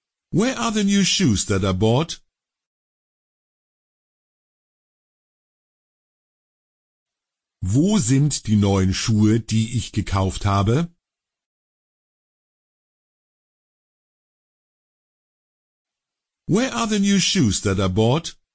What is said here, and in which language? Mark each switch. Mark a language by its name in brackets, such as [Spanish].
[English] Where are the new shoes that I bought? [German] Wo sind die neuen Schuhe, die ich gekauft habe? [English] Where are the new shoes that I bought?